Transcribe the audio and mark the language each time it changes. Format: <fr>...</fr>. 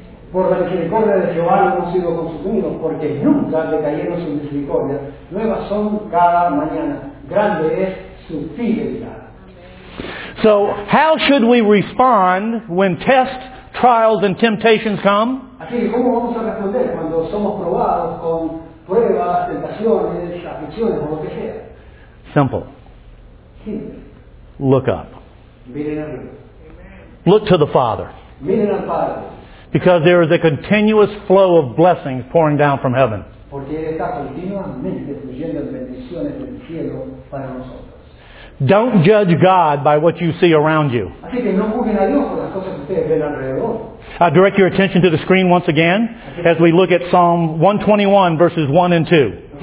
<es>Por la misericordia de Jehová hemos sido consumidos, porque nunca decayeron sus misericordias. Nuevas son cada mañana. Grande es su fidelidad.</es> <en>So, how should we respond when tests, trials and temptations come?</en> <es>Así que, ¿cómo vamos a responder cuando somos probados con pruebas, tentaciones, aflicciones, o lo que sea?</es> <en>Simple.</en> <es>Simple.</es> <en>Look up.</en> <es>Miren arriba.</es> <en>Amen. Look to the Father.</en> <es>Miren al Padre.</es> <en>Because there is a continuous flow of blessings pouring down from heaven.</en> <es>Porque está continuamente fluyendo bendiciones del cielo para nosotros.</es> <en>Don't judge God by what you see around you.</en> <es>Así que no juzguen a Dios por las cosas que ustedes ven alrededor.</es> <en>I direct your attention to the screen once again as we look at Psalm 121 verses 1 and 2.</en>